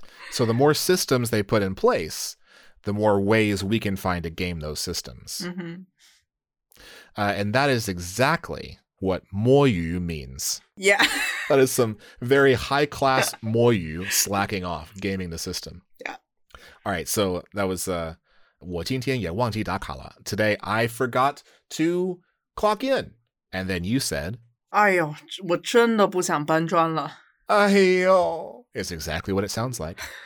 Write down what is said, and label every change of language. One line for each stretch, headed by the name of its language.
English: So the more systems they put in place, the more ways we can find to game those systems. Mm-hmm. And that is exactly what 摸鱼 means. Yeah. That is some very high class 摸鱼 slacking off, gaming the system. Yeah. All right. So that was
Chinese: 我今天也忘记打卡了.
English: Today I forgot to clock in. And then you said,
Chinese: 哎呦,我真的不想搬砖了. 哎呦.
English: It's exactly what it sounds like.